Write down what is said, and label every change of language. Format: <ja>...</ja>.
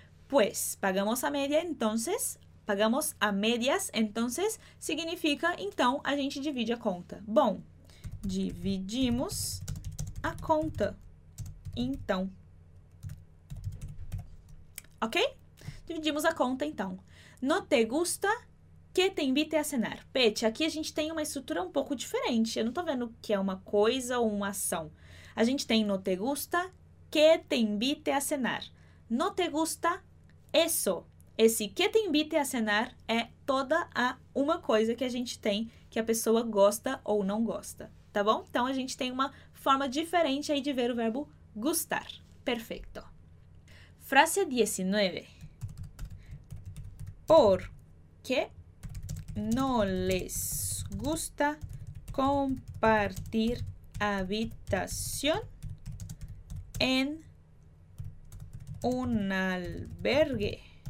<es>Pues, pagamos a media, entonces. Pagamos a medias, entonces,</es> <pt>significa, então, a gente divide a conta. Bom, dividimos a conta, então. Ok? Dividimos a conta, então.</pt> <es>No te gusta que te invite a cenar.</es> <pt>Pete, aqui a gente tem uma estrutura um pouco diferente. Eu não tô vendo que é uma coisa ou uma ação. A gente tem</pt> <es>no te gusta que te invite a cenar. No te gusta eso.</es> <pt>Esse</pt> <es>que te invite a cenar</es> <pt>é toda a uma coisa que a gente tem que a pessoa gosta ou não gosta. Tá bom? Então, a gente tem uma forma diferente aí de ver o verbo gustar. Perfeito. Frase 19.</pt> <es>Por que no les gusta compartir habitación en un albergue?</es>